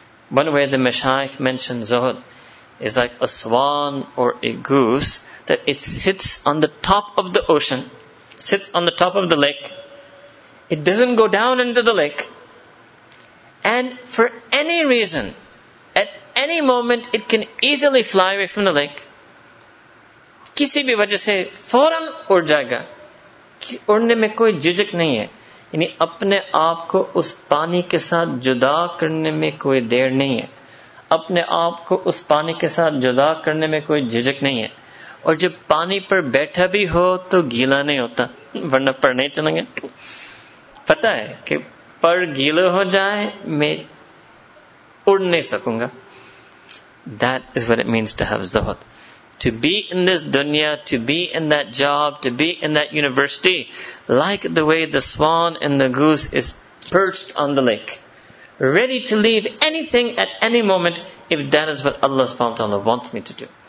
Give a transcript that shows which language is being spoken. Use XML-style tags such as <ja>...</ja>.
<en>One way the Mashayikh mentioned zuhud is like a swan or a goose, that it sits on the top of the ocean, sits on the top of the lake. It doesn't go down into the lake. And for any reason, at any moment, it can easily fly away from the lake.</en> <ur>Kisi bhi wajah se foran ur jayega. اڑنے میں کوئی ججک نہیں ہے, یعنی اپنے آپ کو اس پانی کے ساتھ جدا کرنے میں کوئی دیر نہیں ہے, اپنے آپ کو اس پانی کے ساتھ جدا کرنے میں کوئی ججک نہیں ہے. اور جب پانی پر بیٹھا بھی ہو تو گیلا نہیں ہوتا, ورنہ پر نہیں چلیں گے. پتہ ہے کہ پر گیلا ہو جائے میں اڑ نہیں سکوں گا.</ur> <en>That is what it means to have zuhud. To be in this dunya, to be in that job, to be in that university, like the way the swan and the goose is perched on the lake, ready to leave anything at any moment, if that is what Allah subhanahu wa ta'ala wants me to do.</en>